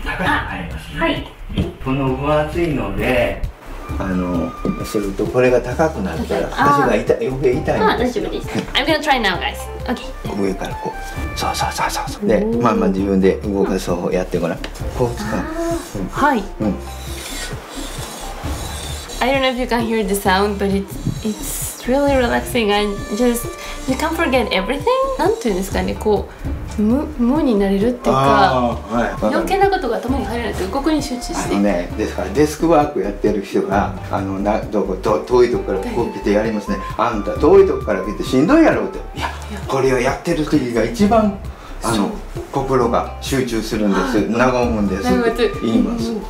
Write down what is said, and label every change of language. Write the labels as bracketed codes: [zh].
[ja] だからあります、ね、この分厚いのでするとこれが高くなるから足が痛い、余計痛いんですよ。大丈夫です。 [en] I'm gonna try now guys。 OK、 [ja] 上からこうそうで、まあまあ自分で動かす方法やってごらん。こう使う、うん、 [en] はい、うん、I don't know if you can hear the sound, but it's really relaxing and just you can forget everything。 [ja] なんていうんですかね、こう無になれるっていうか、はい、余計なことが頭に入らないと、ここに集中して、ね、ですからデスクワークやってる人が、うん、どこ遠いとこからこう来てやりますね。あんた遠いとこから来てしんどいやろうって、いや、これをやってる時が一番心が集中するんです、はい、長むんですって言います。